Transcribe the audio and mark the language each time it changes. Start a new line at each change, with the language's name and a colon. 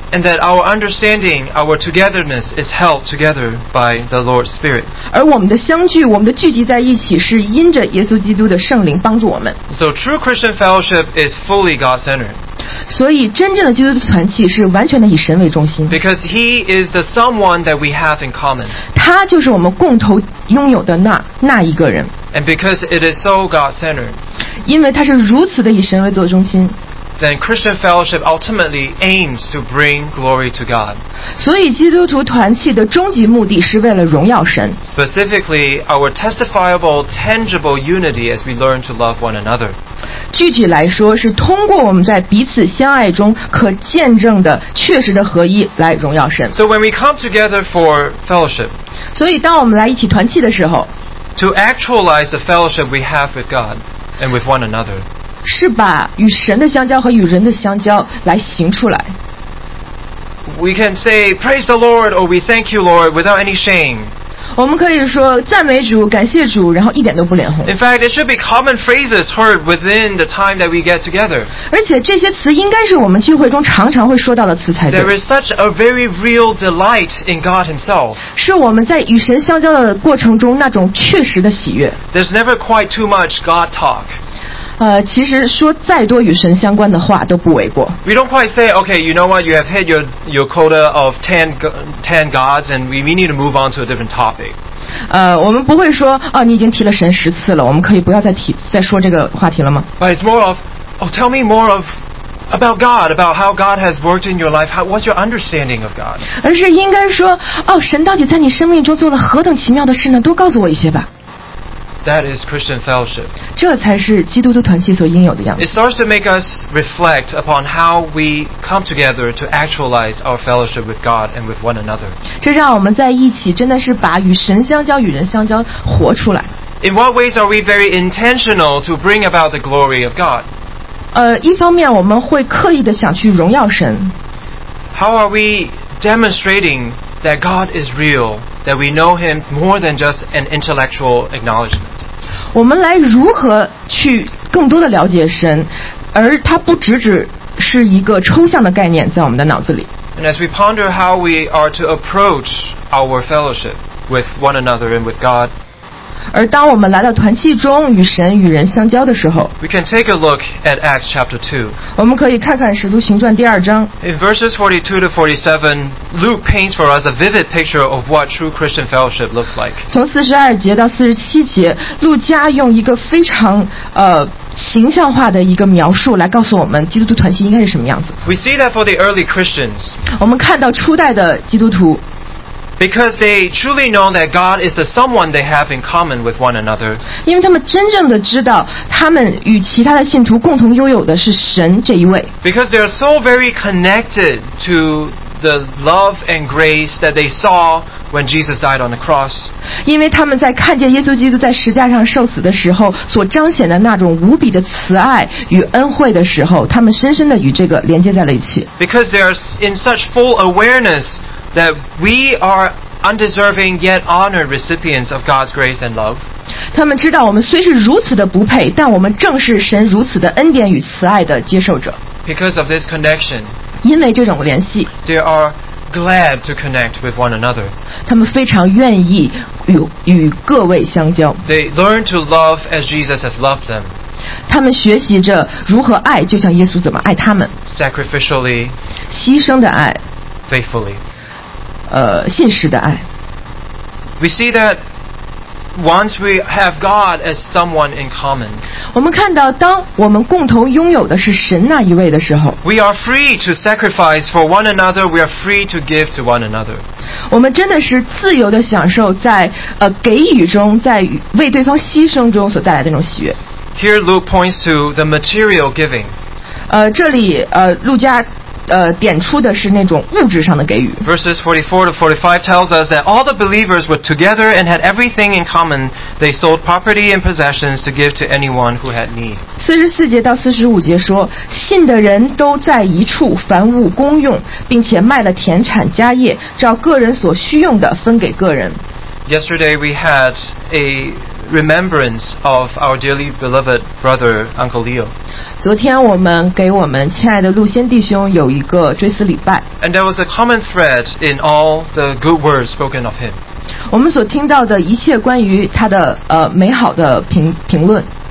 English: And that our understanding, our togetherness is held together by the Lord's Spirit.
Chinese: 而我们的相聚，我们的聚集在一起，是因着耶稣基督的圣灵帮助我们。
English: So true Christian fellowship is fully God-centered.
Chinese: 所以真正的基督团契是完全的以神为中心。
English: Because He is the someone that we have in common.
Chinese: 他就是我们共同拥有的那一个人。
English: And because it is so God-centered,
Chinese: 因为它是如此的以神为中心，
English: then Christian fellowship ultimately aims to bring glory to God.
Chinese: 所以基督徒团契的终极目的是为了荣耀神。
English: Specifically, our testifiable, tangible unity as we learn to love one another.
Chinese: 具体来说，是通过我们在彼此相爱中可见证的确实的合一来荣耀神。
English: So when we come together for fellowship,
Chinese: 所以当我们来一起团契的时候，
English: To actualize the fellowship we have with God and with one another.
Chinese: 是把与神的相交和与人的相交来行出来。
English: We can say, praise the Lord, or we thank you, Lord, without any shame.
Chinese: 我们可以说赞美主，感谢主，然后一点都不脸红。
English: In fact, it should be common phrases heard within the time that we get together.
Chinese: 而且这些词应该是我们聚会中常常会说到的词才对。
English: There is such a very real delight in God Himself.
Chinese: 是我们在与神相交的过程中那种确实的喜悦。
English: There's never quite too much God talk.
Chinese: 其实说再多与神相关的话都不为过。
English: We don't quite say, okay, you know what, you have hit your quota of ten gods, and we need to move on to a different topic.
Chinese: 我们不会说，哦，你已经提了神十次了，我们可以不要再说这个话题了吗？
English: But it's more of, oh, tell me more of about God, about how God has worked in your life. What's your understanding of God?
Chinese: 而是应该说，哦，神到底在你生命中做了何等奇妙的事呢？多告诉我一些吧。
English: That is Christian fellowship.
Chinese: 这才是基督徒团契所应有的样子。
English: It starts to make us reflect upon how we come together to actualize our fellowship with God and with one another.
Chinese: 这让我们在一起真的是把与神相交、与人相交活出来。
English: In what ways are we very intentional to bring about the glory of God?
Chinese: 一方面我们会刻意的想去荣耀神。
English: How are we demonstrating that God is real? That we know Him more than just an intellectual acknowledgement.
Chinese: 我们来如何去更多的了解神，而它不只只是一个抽象的概念在我们的脑子里。
English: And as we ponder how we are to approach our fellowship with one another and with God,
Chinese: 而当我们来到团契中与神与人相交的时候，
English: we can take a look at Acts chapter 2.
Chinese: 我们可以看看《使徒行传》第二章。
English: In verses 42 to 47. Luke paints for us a vivid picture of what true Christian fellowship looks like.
Chinese: 从四十二节到四十七节，路加用一个非常形象化的一个描述来告诉我们基督徒团契应该是什么样子。
English: We see that for the early Christians.
Chinese: 我们看到初代的基督徒。
English: Because they truly know that God is the someone they have in common with one another.
Chinese: 因为他们真正的知道他们与其他的信徒共同拥有的是神这一位。
English: Because they are so very connected to. The love and grace that they saw when Jesus died on the cross.
Chinese: 因为他们在看见耶稣基督在十字架上受死的时候，所彰显的那种无比的慈爱与恩惠的时候，他们深深的与这个连接在了一起。
English: Because they are in such full awareness that we are undeserving yet honored recipients of God's grace and love.
Chinese: 他们知道我们虽是如此的不配，但我们正是神如此的恩典与慈爱的接受者。
English: Because of this connection.
Chinese: 因为这种联系
English: They are glad to connect with one another.
Chinese: 他们非常愿意 与各位相交
English: They learn to love as Jesus has loved them.
Chinese: 他们学习着如何爱就像耶稣怎么爱他们
English: Sacrificially
Chinese: 牺牲的爱
English: Faithfully
Chinese: 信实的爱
English: We see thatOnce we have God as someone in common,
Chinese: 我们看到当我们共同拥有的是神那一位的时候
English: we are free to sacrifice for one another. We are free to give to one another.
Chinese: 我们真的是自由的享受在给予中，在为对方牺牲中所带来的那种喜悦。
English: Here Luke points to the material giving.
Chinese: 这里路加点出的是那种物质上的给予。
English: Verses 44 to 45 tells us that all the believers were together and had everything in common. They sold property and possessions to give to anyone who had need.
Chinese: 44节到45节说，信的人都在一处，凡物公用，并且卖了田产家业，照个人所需用的分给个人。
English: Yesterday we had a remembrance of our dearly beloved brother Uncle Leo.
Chinese: 昨天我们给我们亲爱的陆先弟兄有一个追思礼拜。
English: And there was a common thread in all the good words spoken of him.
Chinese: 我们所听到的一切关于他的美好的评论。